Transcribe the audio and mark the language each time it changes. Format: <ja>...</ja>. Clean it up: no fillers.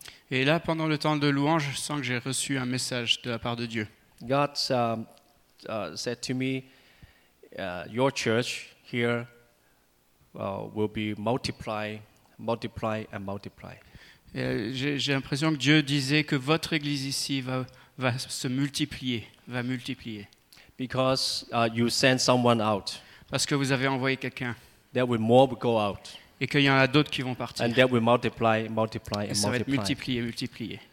<fr>Et là pendant le temps de louange, je sens que j'ai reçu un message de la part de Dieu.</fr> <en>God said to me, your church here will be multiply and multiply.</en> <fr>J'ai l'impression que Dieu disait que votre église ici va se multiplier, va multiplier.</fr> <en>Because you send someone out.</en> <fr>Parce que vous avez envoyé quelqu'un.</fr> <en>There will more go out.</en> <fr>Et qu'il y en a d'autres qui vont partir.</fr> <en>And there will multiply.</en> <fr>Et ça va être multiplier.</fr>